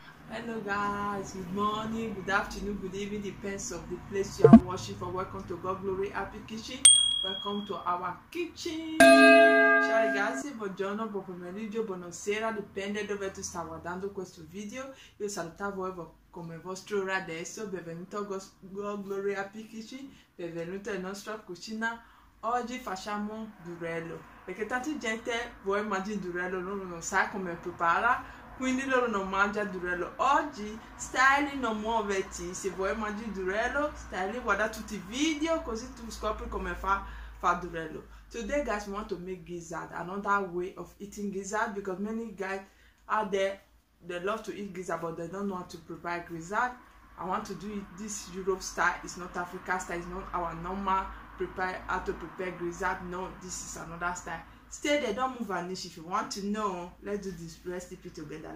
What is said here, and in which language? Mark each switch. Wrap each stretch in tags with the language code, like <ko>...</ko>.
<en>Hello guys, good morning, good afternoon, good evening, depends on the place you are watching from. Welcome to God Glory Happy Kitchen. Welcome to our kitchen.</en> <it>Ciao ragazzi, buongiorno, buon pomeriggio, buonasera, dipende dove tu stai guardando questo video. Io salutavo come vostro ora adesso, benvenuto a God Glory Happy Kitchen, benvenuto in nostra cucina. Oggi facciamo durello, perché tanta gente vuole mangiare durello, loro non sa come prepara. Quindi loro non mangiano durello. Oggi, Stanley, non muoverti. Se vuoi mangiare durello, Stanley, guarda tutti i video, così tu scopri come fa durello.</it> <en>Today, guys, we want to make gizzard. Another way of eating gizzard, because many guys out there, they love to eat gizzard, but they don't know how to prepare gizzard. I want to do it this Europe style. It's not Africa style. It's not our normal prepare how to prepare gizzard. No, this is another style. Stay there, don't move an inch. If you want to know, let's do this recipe together.</en>